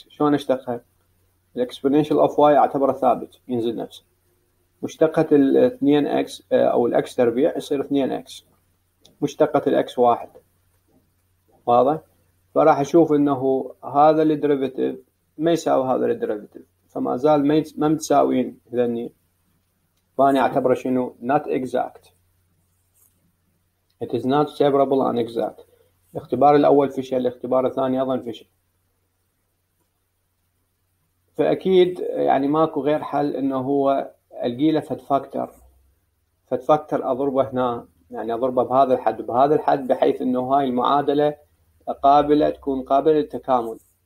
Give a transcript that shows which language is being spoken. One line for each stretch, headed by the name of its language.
Arabic: شلون اشتقها؟ ال exponential of y اعتبره ثابت ينزل نفسه، مشتقة ال 2 x او ال x تربيع يصير 2 x، مشتقة ال x 1. واضح؟ فراح اشوف انه هذا ال derivative ما يساوي هذا ال derivative، فما زال ما متساوين ذني، فأنا أعتبره شنو؟ not exact.
English: it is not separable and exact.
Arabic: الاختبار الأول فشل، الاختبار الثاني أيضا فشل. فأكيد يعني ماكو غير حل إنه هو الجيلة فد فاكتر أضربه هنا، يعني أضربه بهذا الحد بحيث إنه هاي المعادلة قابلة للتكامل.